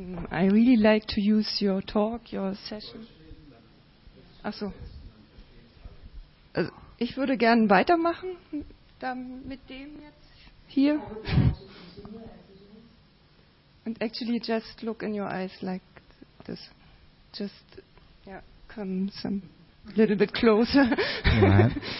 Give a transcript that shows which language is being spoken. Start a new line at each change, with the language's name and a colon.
English: I really like to use your talk, your session.
German: Achso. Also, ich würde gerne weitermachen mit dem jetzt hier.
English: And actually just look in your eyes like this. Just yeah, come some little bit closer. Right.